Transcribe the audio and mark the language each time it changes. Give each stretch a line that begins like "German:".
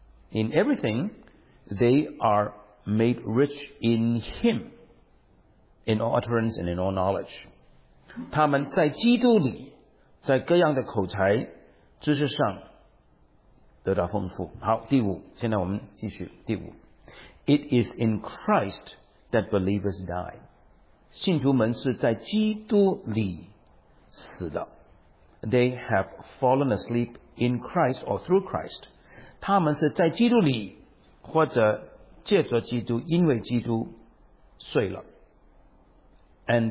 English: In everything, they are made rich in Him, in all utterance and in all knowledge.
Chinese: 他们在基督里 在各样的口才知识上得到丰富。好，第五，现在我们继续。第五,
English: It is in Christ that believers die.
Chinese: 信徒们是在基督里死的。
English: They have fallen asleep in Christ or through Christ.
Chinese: 他们是在基督里或者借着基督因为基督睡了。
English: And